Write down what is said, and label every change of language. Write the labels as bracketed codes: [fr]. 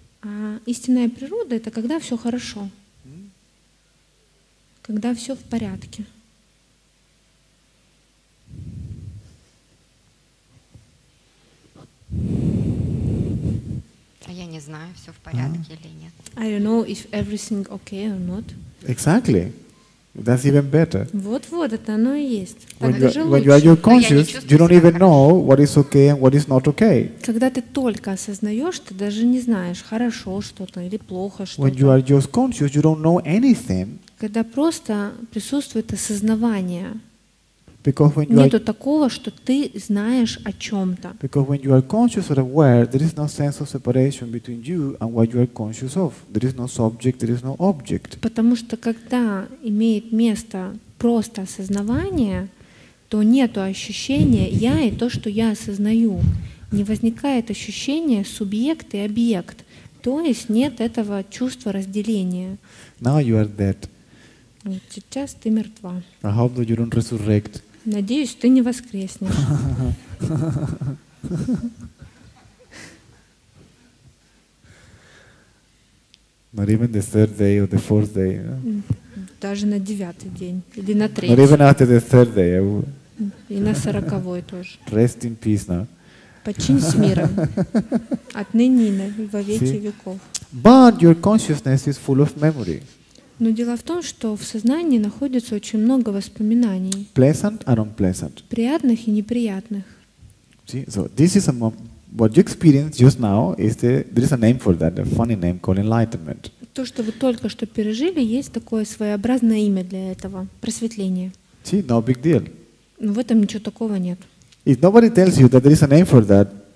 [ru] А истинная природа — это когда все хорошо. Когда все в порядке. [en] Thank you. [ru] знаю, все в порядке или нет. [en] I don't know if everything okay or not. Exactly. That's even better. [ru] Вот-вот, это оно и есть. [en] When you are conscious, you don't even know what is okay and what is not okay. [ru] Когда ты только осознаешь, ты даже не знаешь, хорошо что-то или плохо что-то. [en] When you are just conscious, you don't know anything. [ru] Когда просто присутствует осознавание. [en] Because when you [ru] нету такого, что ты знаешь о чем-то. [en] Because when you are conscious or aware, there is no sense of separation between you and what you are conscious of. There is no subject, there is no object. [ru] Потому что когда имеет место просто осознавание, то нету ощущения я и то, что я осознаю. Не возникает ощущения субъект и объект. То есть нет этого чувства разделения. [en] Now you are dead. [ru] Вот сейчас ты мертва. [en] I hope that you don't resurrect. [ru] Надеюсь, ты не воскреснешь. [en] Not even the third day or the fourth day. No? [ru] Даже на девятый день или на третий. [en] Not even after the third day. I will... [ru] И на сороковой тоже. [en] Rest in peace now. [ru] Починь с миром. Отныне и во веки веков. [en] But your consciousness is full of memory. [ru] Но дело в том, что в сознании находится очень много воспоминаний. [en] Pleasant and unpleasant. [ru] Приятных и неприятных. [en] See, so this is a what you experienced just now is the there is a name for that, a funny name called enlightenment. [ru] То, что вы только что пережили, есть такое своеобразное имя для этого просветление. [en] See, no big deal. [ru] Но в этом ничего такого нет. [en] If nobody tells you that there is a name for that.